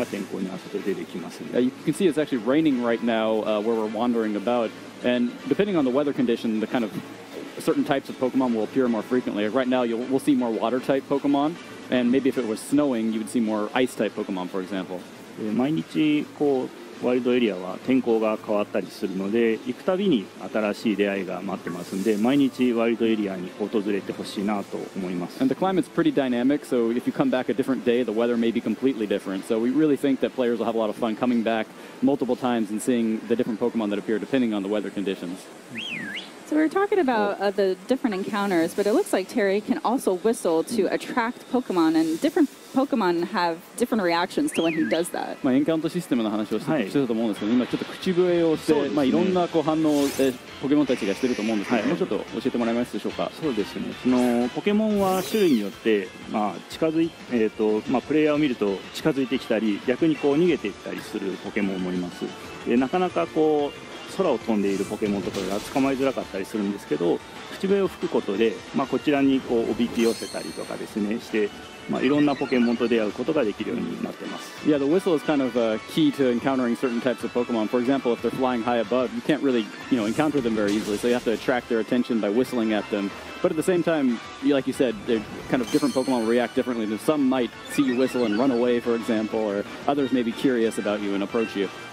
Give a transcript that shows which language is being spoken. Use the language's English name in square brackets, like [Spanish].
[English] You can see it's actually raining right now where we're wandering about, and depending on the weather condition, the kind of certain types of Pokemon will appear more frequently. Right now, we'll see more water type Pokemon, and maybe if it was snowing, you would see more ice type Pokemon, for example. [Japanese] 毎日こうワイルドエリアは天候が変わったりするので、行くたびに新しい出会いが待ってますんで、毎日ワイルドエリアに訪れてほしいなと思います。 [English] And the climate's pretty dynamic, so if you come back a different day, the weather may be completely different. So we really think that players will have a lot of fun coming back multiple times and seeing the different Pokemon that appear depending on the weather conditions. So we were talking about the different encounters, but it looks like Terry can also whistle to attract Pokemon, and different Pokemon have different reactions to when he does that. [Japanese] まあ、エンカウントシステムの話をしてたと思うんですけど、今ちょっと口笛をして、ね、まあ、いろんなこう反応をポケモンたちがしてると思うんですけど、はい、もうちょっと教えてもらえますでしょうか。そうですね、そのポケモンは種類によって、まあ近づいまあ、プレイヤーを見ると近づいてきたり、逆にこう逃げていったりするポケモンもいます。でなかなかこう空を飛んでいるポケモンとかが捕まえづらかったりするんですけど、口笛を吹くことで、まあ、こちらにこうおびき寄せたりとかですね、して、まあ、いろんなポケモンと出会うことができるようになってます。 [English] Yeah, the whistle is kind of a key to encountering certain types of Pokemon. For example, if they're flying high above, you can't really, you know, encounter them very easily, so you have to attract their attention by whistling at them. But at the same time, like you said, they're kind of different Pokemon will react differently. Some might see you whistle and run away, for example, or others may be curious about you and approach you.